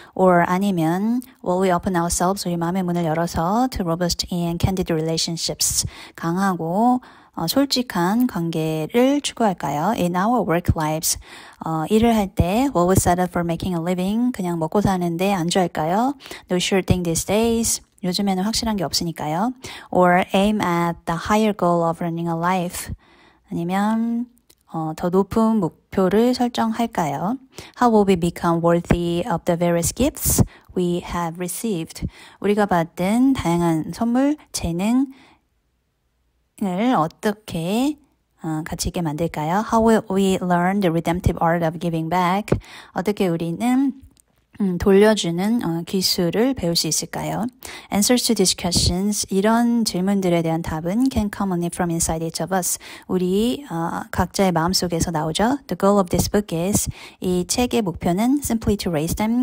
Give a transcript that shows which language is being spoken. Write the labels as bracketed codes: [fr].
[en] Or [ko] 아니면, [en] will we open ourselves, [ko] 우리 마음의 문을 열어서 [en] to robust and candid relationships, [ko] 강하고 솔직한 관계를 추구할까요? [en] In our work lives, [ko] 일을 할 때, [en] will we settle for making a living, [ko] 그냥 먹고 사는데 안주할까요? [en] No sure thing these days. [ko] 요즘에는 확실한 게 없으니까요. [en] Or aim at the higher goal of running a life. [ko] 아니면 더 높은 목표를 설정할까요? [en] How will we become worthy of the various gifts we have received? [ko] 우리가 받은 다양한 선물, 재능을 어떻게 가치 있게 만들까요? [en] How will we learn the redemptive art of giving back? [ko] 어떻게 우리는 돌려주는 기술을 배울 수 있을까요? [en] Answers to these questions. [ko] 이런 질문들에 대한 답은 [en] can come only from inside each of us. [ko] 우리 각자의 마음 속에서 나오죠. [en] The goal of this book is [ko] 이 책의 목표는 [en] simply to raise them.